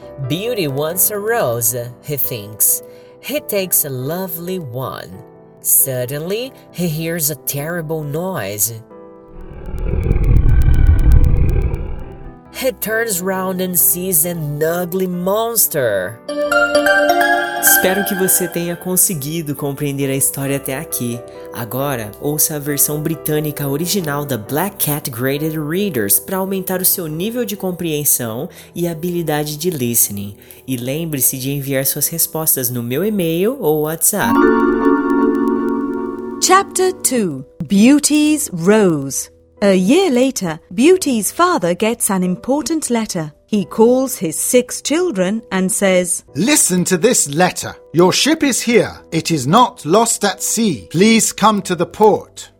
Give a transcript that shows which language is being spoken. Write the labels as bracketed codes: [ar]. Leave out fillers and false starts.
[en] Beauty wants a rose, he thinks. He takes a lovely one. Suddenly, he hears a terrible noise. He turns round and sees an ugly monster. [pt] Espero que você tenha conseguido compreender a história até aqui. Agora, ouça a versão britânica original da Black Cat Graded Readers para aumentar o seu nível de compreensão e habilidade de listening. E lembre-se de enviar suas respostas no meu e-mail ou WhatsApp. [en] Chapter 2. Beauty's Rose. A year later, Beauty's father gets an important letter. He calls his 6 children and says, "Listen to this letter. Your ship is here. It is not lost at sea. Please come to the port.